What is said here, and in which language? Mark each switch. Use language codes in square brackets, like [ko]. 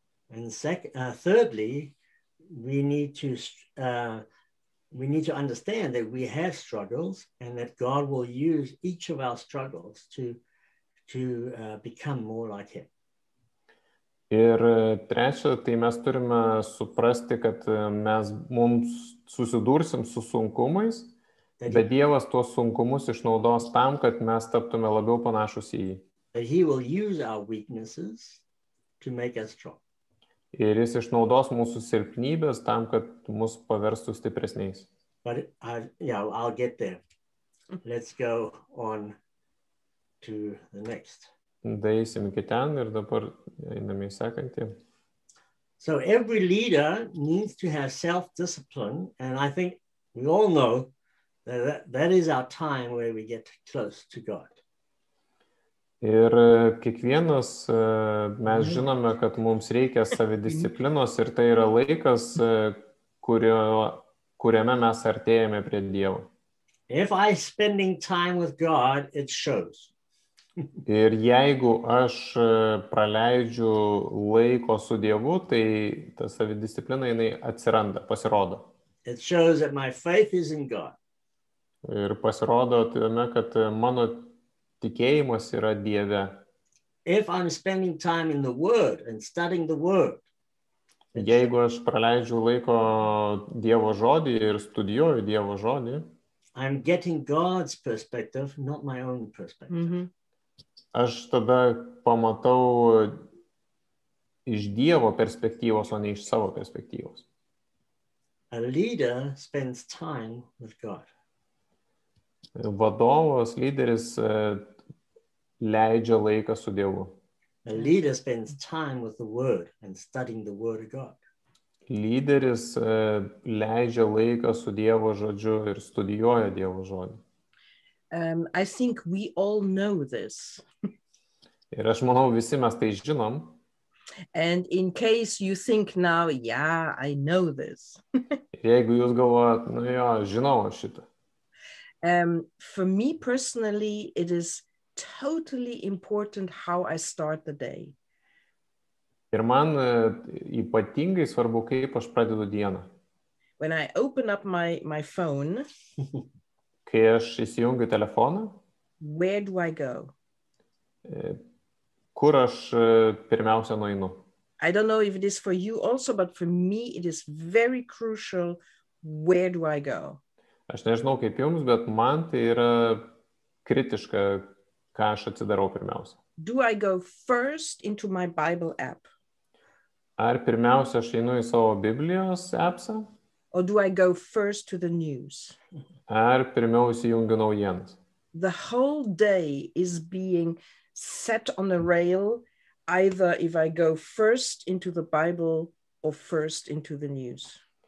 [en] And thirdly, we need to understand that we have struggles and that God will use each of our struggles to become more like him. [lt] Ir trečia, tai mes turime suprasti, kad mes mums susidursim su sunkumais, bet Dievas tuos sunkumus išnaudos tam, kad mes taptume labiau panašus į jį. [en] That he will use our weaknesses to make us strong. [lt] Ir jis išnaudos mūsų silpnybės tam, kad mus paverstų stipresniais. [en] But I'll get there. Let's go on to the next. [lt] Daeisim iki ten ir dabar einame į sekantį. [en] So every leader needs to have self-discipline, and I think we all know that is our time where we get close to God. [lt] Ir kiekvienas mes žinome, kad mums reikia savidisciplinos ir tai yra laikas, kuriame mes artėjame prie Dievo. [en] If I spending time with God, it shows. [lt] Ir jeigu aš praleidžiu laiko su Dievu, tai ta savidisciplina jinai atsiranda, pasirodo. [en] It shows that my faith is in God. [lt] Ir pasirodo tame, kad mano tikėjimas yra Dieve. [en] If I'm spending time in the word and studying the word. [lt] Jeigu aš praleidžiu laiko Dievo žodį ir studijuoju Dievo žodį, [en] I'm getting God's perspective, not my own perspective. Mm-hmm. [lt] Aš tada pamatau iš Dievo perspektyvos, o ne iš savo perspektyvos. [en] A leader spends time with God. [lt] Vadovas, lyderis leidžia laiką su Dievu. [en] A leader spends time with the word and studying the word of God. [lt] Lyderis leidžia laiką su Dievo žodžiu ir studijuoja Dievo žodį. [en] I think we all know this. [lt] Ir aš manau, visi mes tai žinom. [en] And in case you think now, yeah, I know this. [lt] Jeigu jūs galvojat, nu jo, žinau šitą. [en] For me personally, it is totally important how I start the day. [lt] Ir man ypatingai svarbu, kaip aš pradedu dieną. [en] When I open up my phone, [lt] kai aš įsijungiu telefoną, [en] where do I go? [lt] Kur aš pirmiausia nueinu? [en] I don't know if it is for you also, but for me it is very crucial, where do I go? [lt] Aš nežinau kaip jums, bet man tai yra kritiška, ką aš atsidarau pirmiausia. [en] Do I go first into my Bible app? [lt] Ar pirmiausia aš einu į savo Biblijos appsą? [en] Or do I go first to the news? [lt] Ar pirmiausia jungiu naujienas? [en] The whole day is being set on a rail, either if I go first into the Bible or first into the news.